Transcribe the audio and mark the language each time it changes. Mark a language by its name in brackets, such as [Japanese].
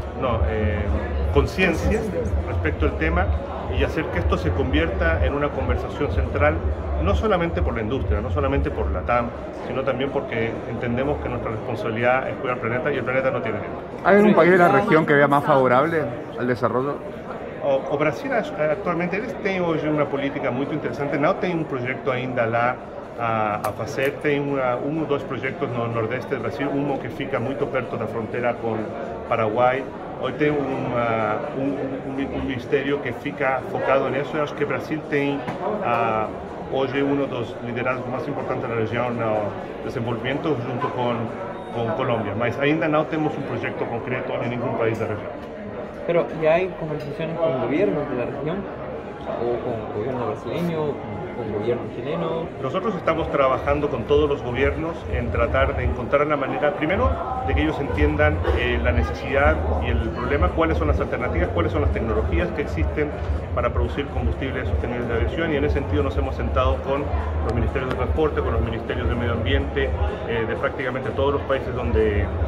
[Spanish] No, conciencia respecto al tema y hacer que esto se convierta en una conversación central, no solamente por la industria, no solamente por la TAM, sino también porque entendemos que nuestra responsabilidad es cuidar el planeta y el planeta no tiene tiempo. ¿Hay algún país de la región que vea más favorable al desarrollo? [Portuguese] O Brasil actualmente tem hoje uma política muito interessante, não tem um projeto ainda lá a fazer, tem um ou dois projetos no nordeste do Brasil, um que fica muito perto da fronteira com Paraguai, hoje tem um ministério que fica focado nisso. Eu acho que Brasil tem hoje um dos liderazgos mais importantes na região no desenvolvimento junto com Colômbia, mas ainda não temos um projeto concreto em nenhum país da região. [Spanish] Pero, ¿y hay conversaciones con gobiernos de la región? ¿O con gobierno brasileño? ¿Con gobierno chileno? Nosotros estamos trabajando con todos los gobiernos en tratar de encontrar la manera, primero, de que ellos entiendan la necesidad y el problema, cuáles son las alternativas, cuáles son las tecnologías que existen para producir combustibles sostenibles de aviación. Y en ese sentido nos hemos sentado con los ministerios de transporte, con los ministerios de medio ambiente, de prácticamente todos los países donde